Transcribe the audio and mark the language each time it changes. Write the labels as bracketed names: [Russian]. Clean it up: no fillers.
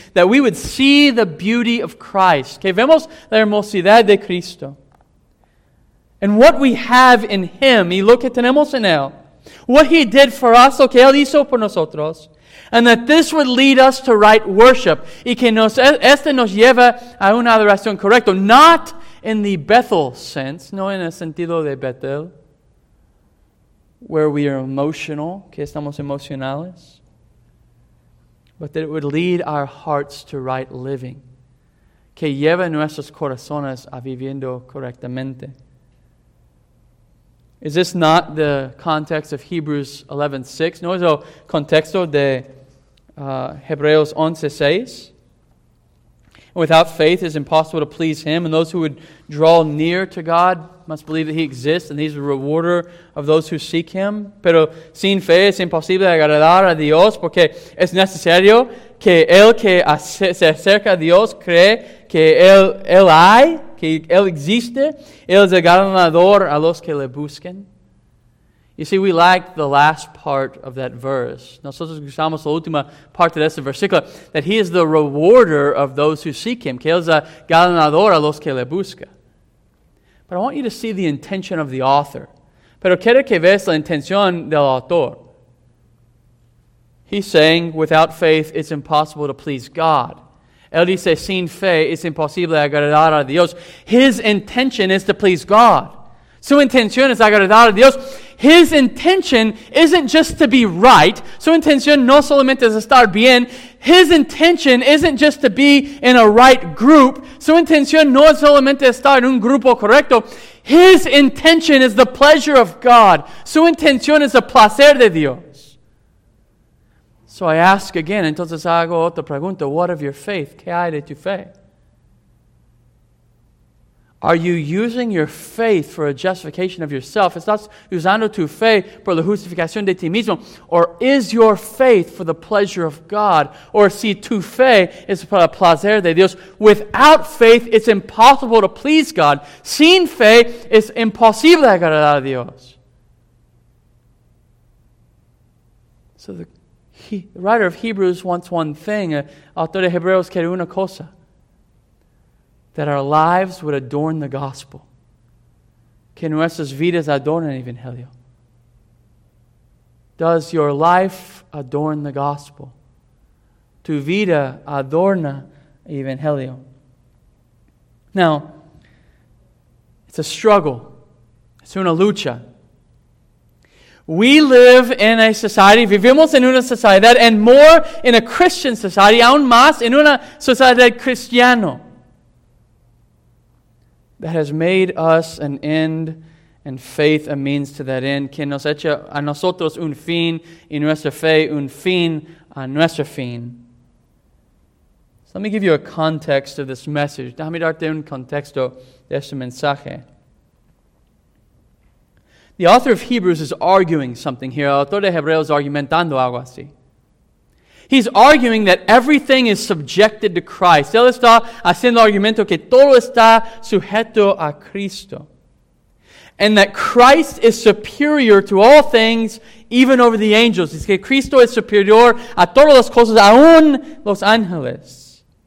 [English] That we would see the beauty of Christ. [Spanish] Que vemos la hermosidad de Cristo. [English] And what we have in Him. [Spanish] Y lo que tenemos en Él. [English] What He did for us. [Spanish] Lo que Él hizo por nosotros. [English] And that this would lead us to right worship. [Spanish] Y que este nos lleva a una adoración correcta. [English] Not in the Bethel sense. [Spanish] No en el sentido de Bethel. [English] Where we are emotional, [Spanish] que estamos emocionales, [English] but that it would lead our hearts to right living, [Spanish] que lleva nuestros corazones a viviendo correctamente. [English] Is this not the context of Hebrews 11:6? [Spanish] No es el contexto de Hebreos 11:6. [English] Without faith, it is impossible to please Him. And those who would draw near to God must believe that He exists. And He's a rewarder of those who seek Him. [Spanish] Pero sin fe es imposible agradar a Dios. Porque es necesario que el que se acerca a Dios cree que él hay. Que él existe. Él es el ganador a los que le busquen. [English] You see, we like the last part of that verse. [Spanish] Nosotros usamos la última parte de ese versículo. [English] That He is the rewarder of those who seek Him. [Spanish] Que Él es el galardonador a los que le busca. [English] But I want you to see the intention of the author. [Spanish] Pero quiero que veas la intención del autor. [English] He's saying, without faith, it's impossible to please God. [Spanish] Él dice, sin fe, es imposible agradar a Dios. [English] His intention is to please God. [Spanish] Su intención es agradar a Dios. [English] His intention isn't just to be right. [Spanish] Su intención no solamente es estar bien. [English] His intention isn't just to be in a right group. Su intención no solamente es estar en un grupo correcto. His intention is the pleasure of God. [Spanish] Su intención es el placer de Dios. [English] So I ask again, [Spanish] entonces hago otra pregunta, [English] what of your faith? [Spanish] ¿Qué hay de tu fe? [English] Are you using your faith for a justification of yourself? [Spanish] ¿Estás usando tu fe por la justificación de ti mismo? [English] Or is your faith for the pleasure of God? [Spanish] Or si tu fe es para el placer de Dios? [English] Without faith, it's impossible to please God. [Spanish] Sin fe, es imposible agradar a Dios. [English] So the writer of Hebrews wants one thing. [Spanish] Autor de Hebreos quiere una cosa. [English] That our lives would adorn the gospel. [Spanish] Que nuestras vidas adornen el evangelio. [English] Does your life adorn the gospel? [Spanish] Tu vida adorna el evangelio. [English] Now, it's a struggle. It's [Spanish] una lucha. [English] We live in a society, [Spanish] vivimos en una sociedad, [English] and more in a Christian society, [Spanish] aún más en una sociedad cristiana. [English] That has made us an end, and faith a means to that end. [Spanish] Que nos echa a nosotros un fin, y nuestra fe un fin a nuestro fin. [English] So let me give you a context of this message. [Spanish] Déjame darte un contexto de este mensaje. [English] The author of Hebrews is arguing something here. [Spanish] El autor de Hebreos argumentando algo así. [English] He's arguing that everything is subjected to Christ. [Spanish] Él está haciendo el argumento que todo está sujeto a Cristo. [English] And that Christ is superior to all things, even over the angels. [Spanish] Es que Cristo es superior a todas las cosas, aún los ángeles.